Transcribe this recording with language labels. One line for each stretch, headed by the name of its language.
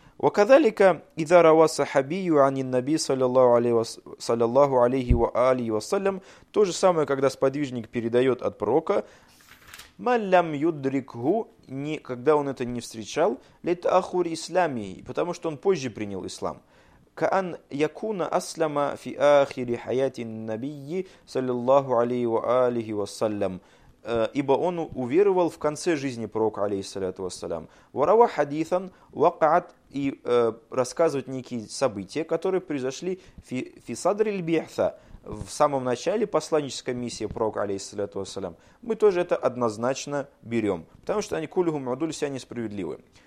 Arabic: وكذلك إذا روى صحابي عن النبي صلى الله عليه وآله وسلم
Russian: то же самое, когда сподвижник передает от пророка,
Arabic: ما لم يدركه,
Russian: когда он это не встречал,
Arabic: لتأخر إسلامه,
Russian: потому что он позже принял ислам.
Arabic: كأن يكون أسلم في آخر حياة النبي صلى الله عليه وآله وسلم,
Russian: ибо он уверовал в конце жизни пророка, алейхиссаляту вассалям.
Arabic: Варава хадитан вакаат,
Russian: и рассказывать некие события, которые произошли
Arabic: фи садри аль-бихта,
Russian: в самом начале посланнической миссии пророка, алейхиссаляту вассалям. Мы тоже это однозначно берем, потому что они
Arabic: кулюхум удули
Russian: себя несправедливы.